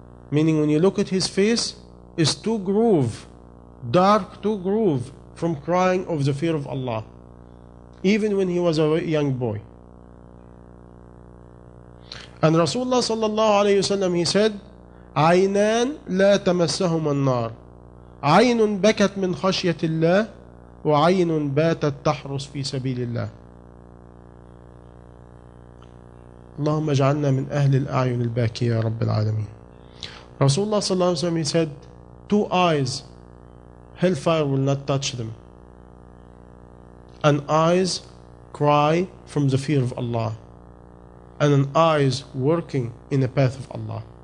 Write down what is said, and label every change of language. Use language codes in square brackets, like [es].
[en] Meaning when you look at his face, it's two grooves, dark two grooves from crying of the fear of Allah. Even when he was a young boy. [ar] And Rasulullah sallallahu alayhi wasallam, [en] he said, [ar] عينان لا تمسهما النار. عين بكت من خشية الله وعين باتت تحرس في سبيل الله. اللهم اجعلنا من أهل الأعين الباكية يا رب العالمين. رسول الله صلى الله عليه وسلم [en] he said, two eyes, hellfire will not touch them. And eyes cry from the fear of Allah. And an eyes working in the path of Allah.